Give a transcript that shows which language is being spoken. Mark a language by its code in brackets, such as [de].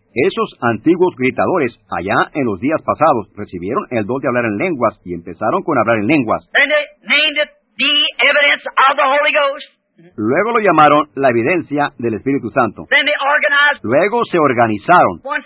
[es] Esos antiguos gritadores allá en los días pasados recibieron el don de hablar en lenguas y empezaron con hablar en lenguas. [en] Then they named it the evidence of the Holy Ghost. [es] Luego lo llamaron la evidencia del Espíritu Santo. Luego se organizaron.